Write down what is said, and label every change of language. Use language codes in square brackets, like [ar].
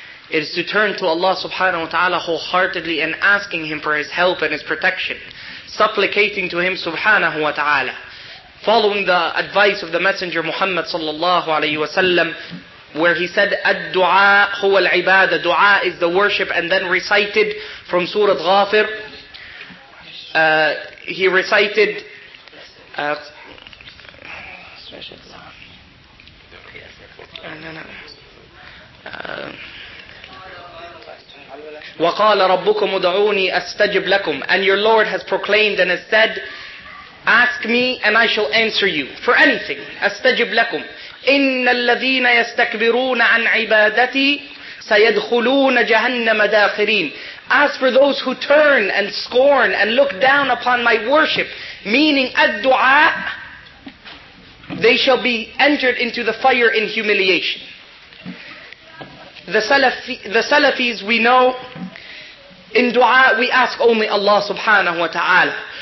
[en] It is to turn to Allah subhanahu wa ta'ala wholeheartedly and asking him for his help and his protection, supplicating to him subhanahu wa ta'ala, following the advice of the messenger Muhammad sallallahu alayhi wa sallam, where he said [ar] ad-du'a huwa al-ibadah, [en] dua is the worship, and then recited from Surah Ghafir, he recited special song. No. [ar] وقال ربكم ادعوني استجب لكم. [en] And your Lord has proclaimed and has said, ask me and I shall answer you for anything. [ar] استجب لكم. إن الذين يستكبرون عن عبادتي سيدخلون جهنم داخرين. [en] As for those who turn and scorn and look down upon my worship, meaning الدُّعَاء, they shall be entered into the fire in humiliation. The Salafis, we know, in dua we ask only Allah subhanahu wa ta'ala.